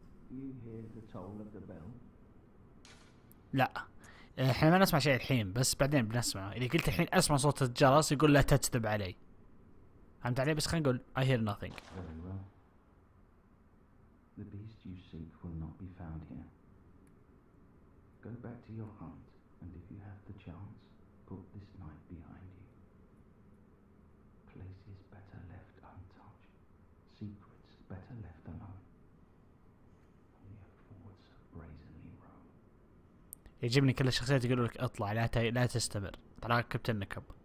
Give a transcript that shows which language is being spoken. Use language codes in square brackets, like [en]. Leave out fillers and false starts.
[en] You hear the toll of the bell? [ar] لا احنا ما نسمع شيء الحين، بس بعدين بنسمع. اذا قلت الحين اسمع صوت الجرس يقول لا تكذب علي، فهمت علي؟ بس خلينا نقول [en] I hear nothing. The beast you seek will not be found here. Go back to your aunt, and if you have the chance, put this knife behind you. Places better left untouched. Secrets better left alone. Only a fool so brazenly wrong. [ar] يجيبني كل الشخصيات يقولوا لك اطلع لا لا تستمر. تراك كبت النكب.